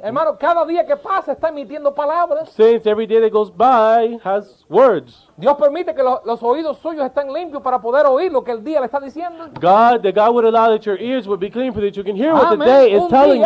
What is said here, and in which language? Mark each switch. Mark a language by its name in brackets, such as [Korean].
[Spanish] Hermano, cada día que pasa está emitiendo palabras. [English] Since every day that goes by has words. [Spanish] Dios permite que los oídos suyos estén limpios para poder oír lo que el día le está diciendo. [English] God, that God would allow that your ears would be clean for that you can hear what the day is telling you.